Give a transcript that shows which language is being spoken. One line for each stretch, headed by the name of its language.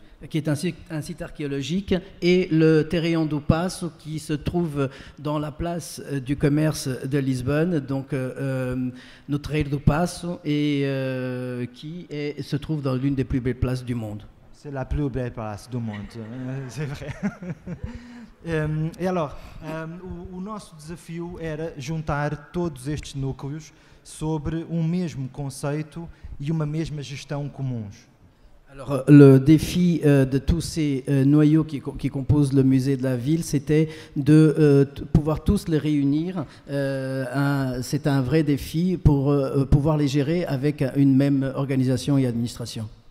French: Qui est un site archéologique, et le Terreão do Paço qui se trouve dans la place du commerce de Lisbonne, donc notre Terreão do Paço, et qui se trouve dans l'une des plus belles places du monde. C'est la plus belle place du monde, c'est vrai.
Portuguese: o nosso desafio era juntar todos estes núcleos sobre um mesmo conceito e uma mesma gestão comuns.
French: Alors, le défi de tous ces noyaux qui composent le musée de la ville, c'était de pouvoir tous les réunir. C'est un vrai défi pour pouvoir les gérer avec une même organisation et administration.